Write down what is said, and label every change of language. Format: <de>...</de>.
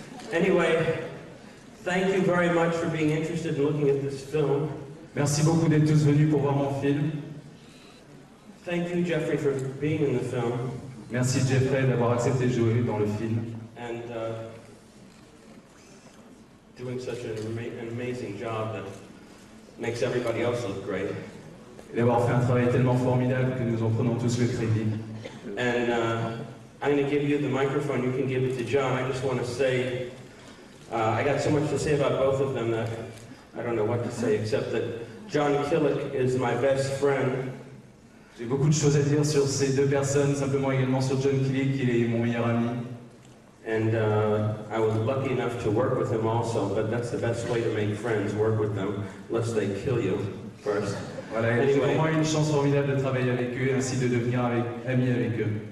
<en>Anyway, thank you very much for being interested in looking at this film.</en> <fr>Merci beaucoup d'être tous venus pour voir mon film.</fr> <en>Thank you, Jeffrey, for being in the film.</en> <fr>Merci Jeffrey d'avoir accepté de jouer dans le film.</fr> <en>And doing such an amazing job that makes everybody else look great.</en> <fr>Et d'avoir fait un travail tellement formidable que nous en prenons tous le crédit.</fr> <en>And I'm going to give you the microphone. You can give it to John. I just want to say I got so much to say about both of them that I don't know what to say, except that John Kilik is my best friend.</en> <fr>J'ai beaucoup de choses à dire sur ces deux personnes, simplement également sur John Kilik, qui est mon meilleur ami.</fr> <en>And I was lucky enough to work with him also, but that's the best way to make friends, work with them, lest they kill you first.</en> <fr>Voilà, anyway, j'ai vraiment une chance formidable de travailler avec eux, ainsi de devenir ami avec eux.</fr>